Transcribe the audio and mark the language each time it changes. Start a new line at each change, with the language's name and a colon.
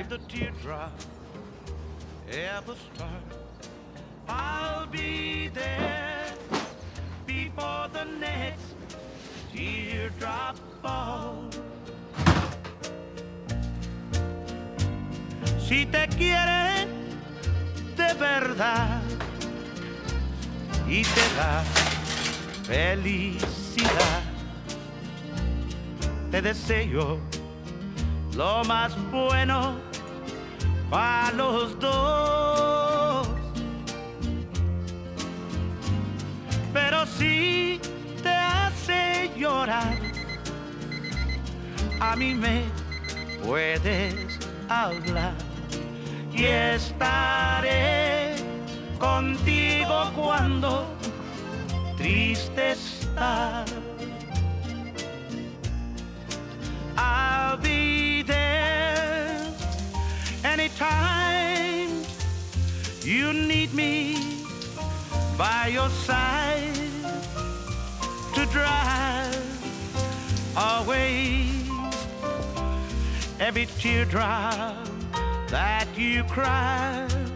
English: If the teardrop ever starts, I'll be there before the next teardrop falls.
Spanish: Si te quiere de verdad y te da felicidad. te deseo lo más bueno para los dos. Pero si te hace llorar, a mí me puedes hablar y estaré contigo cuando triste estás.
English: I'll be there anytime you need me by your side to drive away every teardrop that you cry.